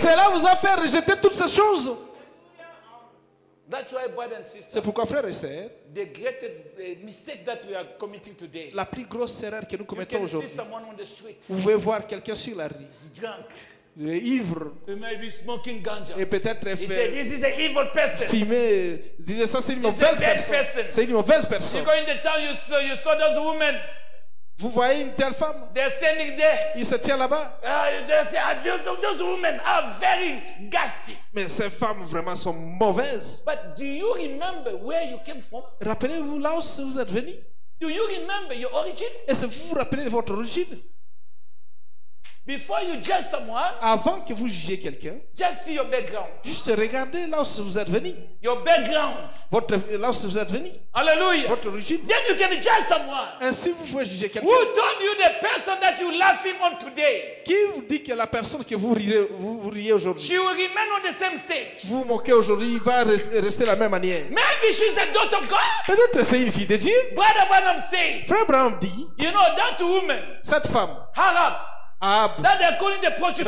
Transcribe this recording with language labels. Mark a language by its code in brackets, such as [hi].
[fr] Cela vous a fait rejeter toutes ces choses. [en] That's why, brother and sister, [fr] c'est pourquoi, frères et sœurs, [en] the greatest mistake that we are committing today, [fr] la plus grosse erreur que nous commettons [en] you can [fr] aujourd'hui, [en] see someone on the street, [fr] vous pouvez voir quelqu'un sur la rue, [en] drunk, [fr] ivre, [en] he may be smoking ganja, [fr] et peut-être [en] fait, he said, this is an evil person, [fr] fumé, disait ça, c'est une mauvaise personne, c'est une mauvaise personne. [en] You go in the town, you saw those women. [fr] Vous voyez une telle femme? [en] They're standing there. [fr] Il se tient là-bas. [en] Those women are very ghastly. [fr] Mais ces femmes vraiment sont mauvaises. [en] But do you remember where you came from? [fr] Rappelez-vous là où vous êtes venu? [en] Do you remember your origin? [fr] Est-ce que vous vous rappelez de votre origine? [en] Before you judge someone, [fr] avant que vous jugiez quelqu'un, [en] just see your background. [fr] Juste regardez là où vous êtes venu. [en] Your background. [fr] Votre là où vous êtes venu. Hallelujah. Votre origine. [en] Then you can judge someone. [fr] Ainsi vous pouvez juger quelqu'un. [en] Who told you the person that you laughing on today? [fr] Qui vous dit que la personne que vous riez aujourd'hui? [en] She will remain on the same stage. [fr] Vous moquez aujourd'hui, il va rester la même manière. [en] Maybe she's the daughter of God. [fr] Peut-être c'est une fille de Dieu. [en] Brother Branham said. [fr] Frère Branham dit. [en] You know that woman. [fr] Cette femme. Harab. Ab, [en] that they are calling the prostitute.